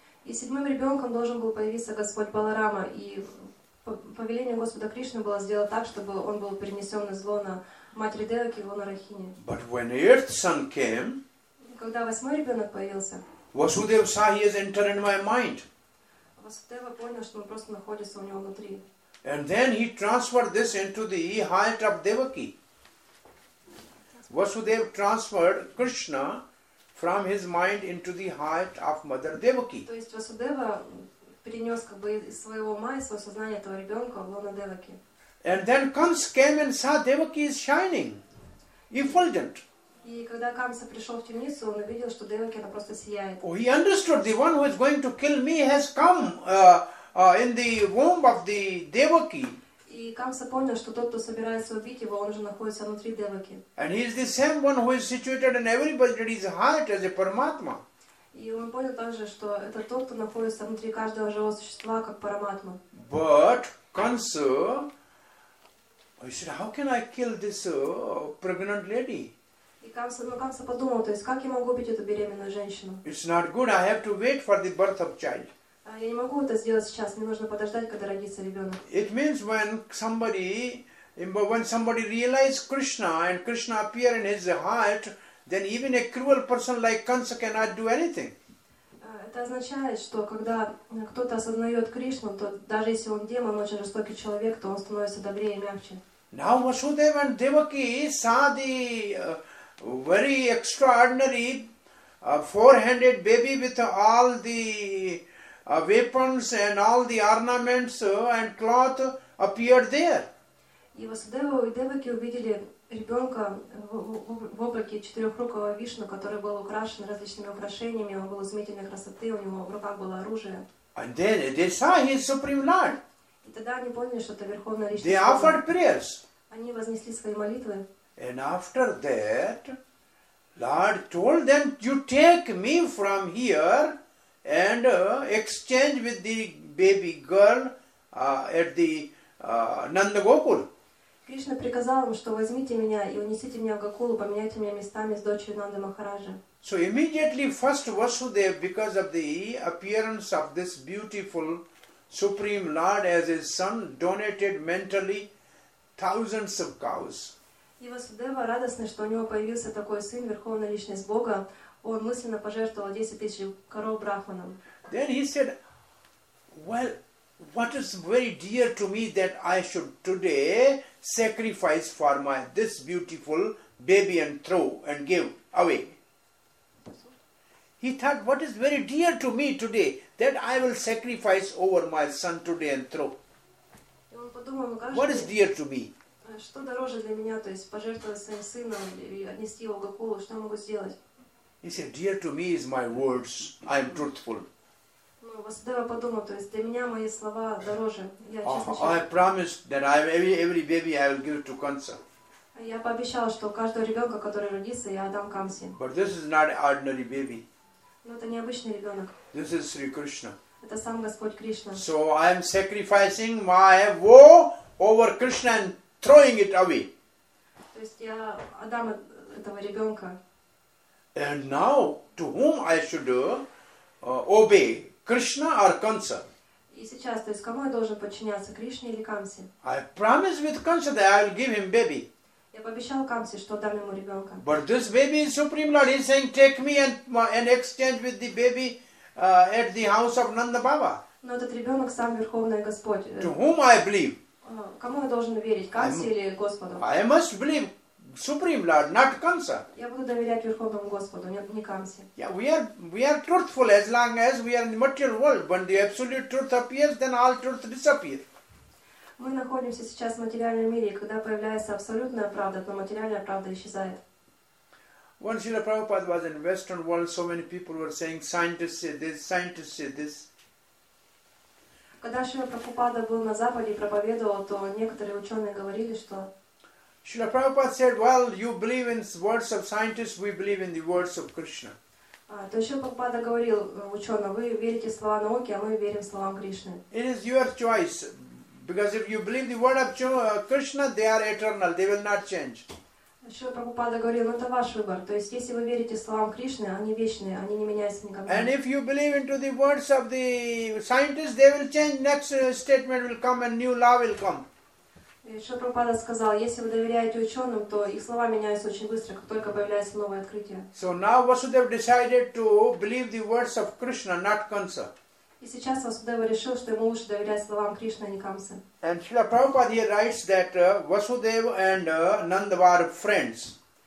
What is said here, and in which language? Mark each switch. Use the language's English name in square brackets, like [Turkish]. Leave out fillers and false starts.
[Russian] И седьмым ребенком должен был появиться Господь Баларама, и по велению Господа Кришны было сделано так, чтобы он был перенесен из лона Матери Деваки в лоно Рахини. [English] But when eighth son came, [Russian] когда восьмой ребенок появился, [English] Vasudev saw he has entered in my mind. [Russian] Васудева понял, что он просто находится у него внутри. [English] And then he transferred this into the heart of Devaki. Vasudev transferred Krishna from his mind into the heart of Mother Devaki. [Russian] То есть Васудева перенес как бы из своего ума и своего сознания этого ребенка в лоно Деваки. [English] And then Kansa came and saw Devaki is shining, effulgent. [Russian] И когда Камса пришел в темницу, он увидел, что Деваки она просто сияет. [English] Oh, he understood the one who is going to kill me has come in the womb of the Devaki. [Russian] И Камса понял, что тот, кто собирается убить его, он уже находится внутри Деваки. [English] And he is the same one who is situated in everybody's heart as a Paramatma. [Russian] И он понял также, что это тот, кто находится внутри каждого живого существа, как Параматма. [English] But Kansa, he said, how can I kill this pregnant lady? [Russian] И Камса, ну Камса подумал, то есть как я могу убить эту беременную женщину? [English] It's not good, I have to wait for the birth of child. [Russian] Я не могу это сделать сейчас. Мне нужно подождать, когда родится ребенок. [English] It means when somebody realizes Krishna and Krishna appear in his heart, then even a cruel person like Kansa cannot do anything. [Russian] Это означает, что когда кто-то осознает Кришну, то даже если он демон, очень жестокий человек, то он становится добрее и мягче. [English] Now Vasudeva and Devaki saw the very extraordinary four-handed baby with all the weapons and all the ornaments and cloth appeared there. [Russian] И Васудева и Деваки увидели ребенка в облике четырехрукого Вишну, который был украшен различными украшениями, он был изумительной красоты, у него в руках было оружие. [English] And then they saw his supreme lord. [Russian] И тогда они поняли, что это верховная личность. [English] They offered prayers. [Russian] Они вознесли свои молитвы. [English] And after that, Lord told them, "You take me from here." And exchange with the baby girl at the Nanda Gokul. [Russian] Кришна приказал им, что возьмите меня и унесите меня в Гокулу, поменяйте меня местами с дочерью Нанды Махараджа. [English] So immediately first Vasudev, because of the appearance of this beautiful Supreme Lord as his son, donated mentally thousands of cows. [Russian] И Васудева радостный, что у него появился такой сын, верховная личность Бога. Он мысленно пожертвовал 10 тысяч коров брахманам. [English] Then he said, well, what is very dear to me that I should today sacrifice for my this beautiful baby and throw and give away. He thought, what is very dear to me today that I will sacrifice over my son today and throw? What is dear to me? [Russian] Что дороже для меня, то есть пожертвовать своим сыном и отнести его к Гакулу, что я могу сделать? [English] He said, dear to me is my words. I am truthful. [Russian] Ну, Васудева подумал, то есть для меня мои слова дороже. [English] I promised that every baby I will give to Kansa. [Russian] Я пообещал, что каждого ребенка, который родится, я отдам Камсе. [English] But this is not ordinary baby. [Russian] Но это необычный ребенок. [English] This is Sri Krishna. [Russian] Это сам Господь Кришна. [English] So I am sacrificing my woe over Krishna and throwing it away. [Russian] То есть я отдам этого ребенка. [English] And now, to whom I should obey, Krishna or Kansa? [Russian] И сейчас, то есть кому я должен подчиняться, Кришне или Камсе? [English] I promised with Kansa that I will give him baby. [Russian] Я пообещал Камсе, что дам ему ребенка. [English] But this baby is Supreme Lord. He's saying, take me and exchange with the baby at the house of Nanda Baba. [Russian] Но этот ребенок сам Верховный Господь. [English] To whom I believe? [Russian] Кому я должен верить, Камсе или Господу? [English] I must believe Supreme Lord, not Kansa. [Russian] Я буду доверять Верховному Господу, не Камсе. [English] Yeah, we are truthful as long as we are in the material world. When the absolute truth appears, then all truth disappears. [Russian] Мы находимся сейчас в материальном мире, и когда появляется абсолютная правда, то материальная правда исчезает. [English] When Srila Prabhupada was in Western world, so many people were saying, scientists say this, scientists say this. [Russian] Когда Шрила Прабхупада был на Западе и проповедовал, то некоторые ученые говорили, что... [English] Шрила Прабхупада said, well, you believe in the words of scientists, we believe in the words of Krishna. [Russian] То есть Шрила Прабхупада говорил ученым, вы верите в слова науки, а мы верим в слова Кришны. [English] It is your choice. Because if you believe the word of Krishna, they are eternal. They will not change. [Russian] Шрила Прабхупада говорил, это ваш выбор. То есть если вы верите словам Кришны, они вечные, они не меняются никогда. [English] And if you believe into the words of the scientists, they will change. Next statement will come and new law will come. [Russian] Шрила Прабхупада сказал, если вы доверяете ученым, то их слова меняются очень быстро, как только появляется новое открытие. [English] So now Vasudev decided to believe the words of Krishna, not Kansa. [Russian] И сейчас Васудева решил, что ему лучше доверять словам Кришны, а не Камсы. [English] And Srila Prabhupada here writes that Vasudeva and Nanda were friends.